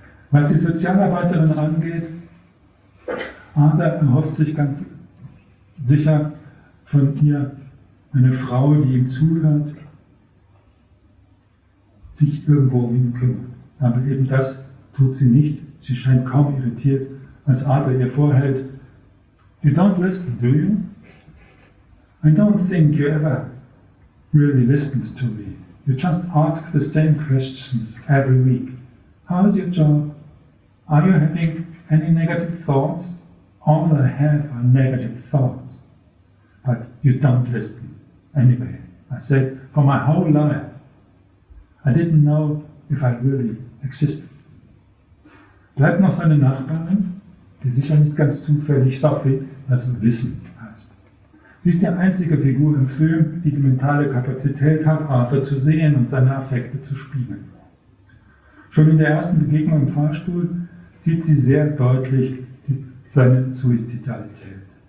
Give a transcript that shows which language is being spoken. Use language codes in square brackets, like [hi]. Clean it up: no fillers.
[de] Was die Sozialarbeiterin angeht, Arthur erhofft sich ganz sicher von ihr eine Frau, die ihm zuhört, sich irgendwo um ihn kümmert. Aber eben das tut sie nicht. Sie scheint kaum irritiert, als Arthur ihr vorhält, [en] you don't listen, do you? I don't think you ever really listened to me. You just ask the same questions every week. How is your job? Are you having any negative thoughts? All I have are negative thoughts. But you don't listen. Anyway, I said, for my whole life, I didn't know if I really existed. [de] Bleibt noch seine Nachbarin, die sicher nicht ganz zufällig Sophie, also Wissen heißt. Sie ist die einzige Figur im Film, die die mentale Kapazität hat, Arthur zu sehen und seine Affekte zu spiegeln. Schon in der ersten Begegnung im Fahrstuhl sieht sie sehr deutlich seine Suizidalität.